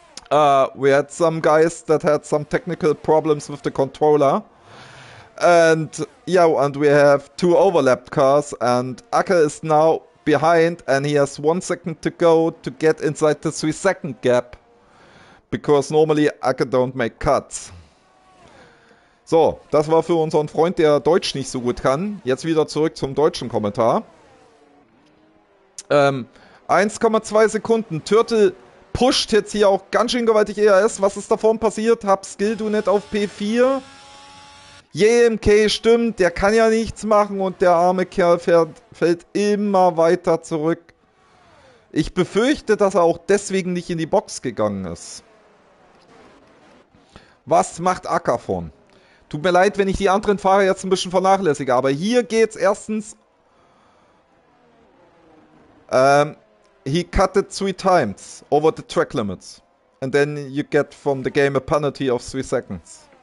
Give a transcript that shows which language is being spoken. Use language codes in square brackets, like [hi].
[en] We had some guys that had some technical problems with the controller. And yeah, and we have two overlapped cars. And Acker is now behind, and he has 1 second to go to get inside the 3 second gap. Because normally Acker don't make cuts. [de] So, das war für unseren Freund, der Deutsch nicht so gut kann. Jetzt wieder zurück zum deutschen Kommentar. 1,2 Sekunden. Turtle pusht jetzt hier auch ganz schön gewaltig ERS. Was ist da vorne passiert? Hab Skill du nicht auf P4? JMK stimmt, der kann ja nichts machen und der arme Kerl fällt immer weiter zurück. Ich befürchte, dass er auch deswegen nicht in die Box gegangen ist. Was macht Acker vorn? Tut mir leid, wenn ich die anderen Fahrer jetzt ein bisschen vernachlässige, aber hier geht's erstens. [en] He cut it 3 times over the track limits. And then you get from the game a penalty of 3 seconds.